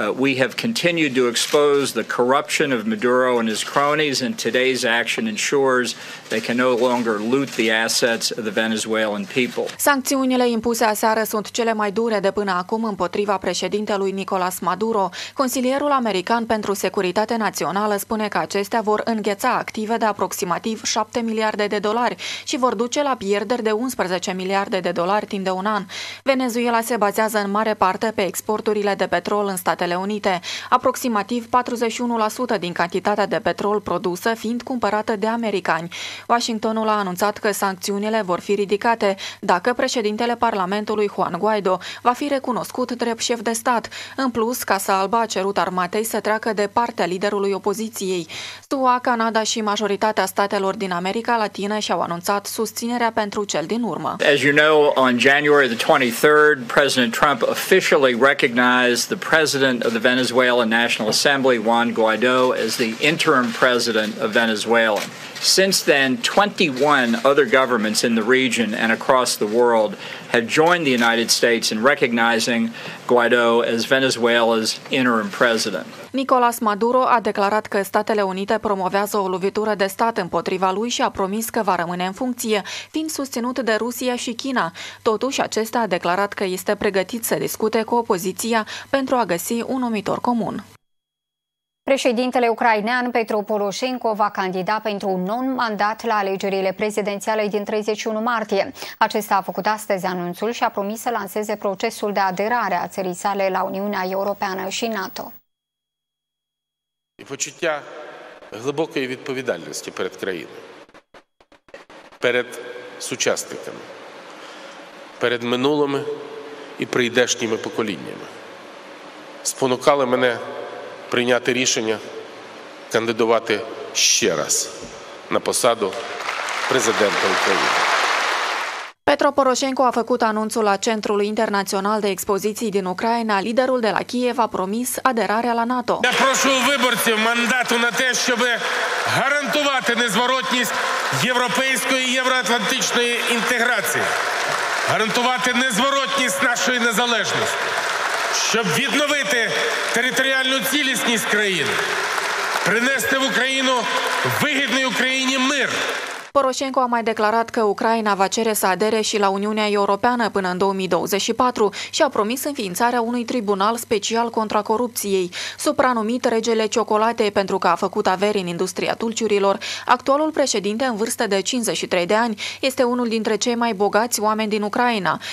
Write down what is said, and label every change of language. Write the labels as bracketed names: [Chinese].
[English] We have continued to expose the corruption of Maduro and his cronies, and today's action ensures they can no longer loot the assets of the Venezuelan people. [Romanian] Sancțiunile impuse aseară sunt cele mai dure de până acum împotriva președintelui Nicolas Maduro. Consilierul american pentru securitate națională spune că acestea vor îngheța active de aproximativ 7 miliarde de dolari și vor duce la pierderi de 11 miliarde de dolari timp de un an. Venezuela se bazează în mare parte pe exporturile de petrol în Statele Unite, aproximativ 41% din cantitatea de petrol produsă fiind cumpărată de americani. Washingtonul a anunțat că sancțiunile vor fi ridicate dacă președintele Parlamentului Juan Guaido va fi recunoscut drept șef de stat. În plus, Casa Albă a cerut armatei să treacă de partea liderului opoziției. SUA, Canada și majoritatea statelor din America Latină și-au anunțat susținerea pentru cel din urmă. [English] As you know, on January the 23rd, President Trump officially recognized the President of the Venezuelan National Assembly, Juan Guaido, as the interim President of Venezuela. Since then, 21 other governments in the region and across the world have joined the United States in recognizing Guaido as Venezuela's interim president. [Romanian] Nicolas Maduro a declarat că Statele Unite promovează o lovitură de stat împotriva lui și a promis că va rămâne în funcție, fiind susținut de Rusia și China. Totuși, acesta a declarat că este pregătit să discute cu opoziția pentru a găsi un numitor comun. Președintele ucrainean Petro Poroșenko va candida pentru un nou mandat la alegerile prezidențiale din 31 martie. Acesta a făcut astăzi anunțul și a promis să lanseze procesul de aderare a țării sale la Uniunea Europeană și NATO. [Ukrainian] І почуття глибокої відповідальності перед країною, перед сучасниками, перед минулими і прийдешніми поколіннями спонукали мене прийняти рішення кандидувати ще раз на посаду президента України. [Romanian] Petro Poroșenko a făcut anunțul la Centrul Internațional de Expoziții din Ucraina. Liderul de la Kiev a promis aderarea la NATO. [Ukrainian] Я прошу виборців мандату на те, щоб гарантувати незворотність європейської євроатлантичної інтеграції, гарантувати незворотність нашої незалежності, щоб відновити територіальну цілісність країни, принести в Україну вигідний Україні мир. [Romanian] Poroșenko a mai declarat că Ucraina va cere să adere și la Uniunea Europeană până în 2024 și a promis înființarea unui tribunal special contra corupției. Supranumit Regele Ciocolatei pentru că a făcut averi în industria dulciurilor, actualul președinte în vârstă de 53 de ani este unul dintre cei mai bogați oameni din Ucraina.